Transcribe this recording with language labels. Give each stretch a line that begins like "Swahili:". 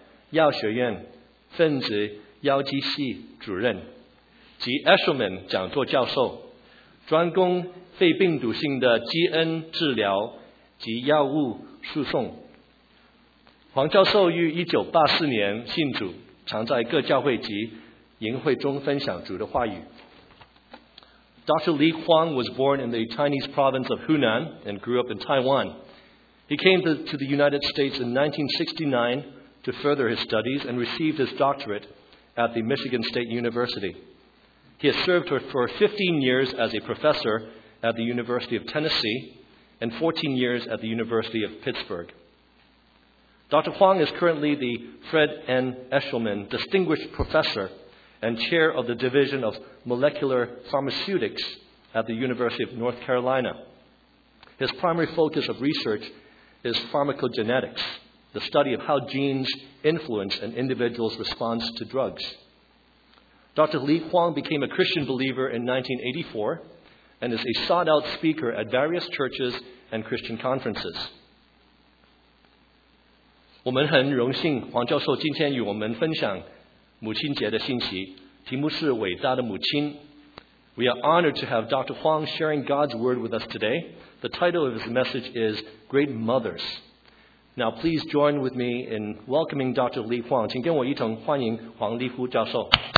Chinese: 药学院分子药剂系主任及 Eshelman 讲座教授，专攻肺病毒性的基因治疗及药物输送。黄教授于1984年信主，常在各教会及营会中分享主的话语。
English: Dr. Li Kuang was born in the Chinese province of Hunan and grew up in Taiwan. He came to the United States in 1969 to further his studies and received his doctorate at the Michigan State University. He has served for 15 years as a professor at the University of Tennessee and 14 years at the University of Pittsburgh. Dr. Kuang is currently the Fred N. Eshelman Distinguished Professor and Chair of the Division of Molecular Pharmaceutics at the University of North Carolina. His primary focus of research is pharmacogenetics, the study of how genes influence an individual's response to drugs. Dr. Li Kuang became a Christian believer in 1984 and is a sought-out speaker at various churches and Christian conferences.
Chinese: 我们很荣幸黄教授今天与我们分享母亲节的信息，题目是伟大的母亲。
English: We are honored to have Dr. Huang sharing God's word with us today. The title of his message is Great Mothers. Now please join with me in welcoming Dr. Li Huang.
Chinese: 请跟我一同欢迎黄立夫教授。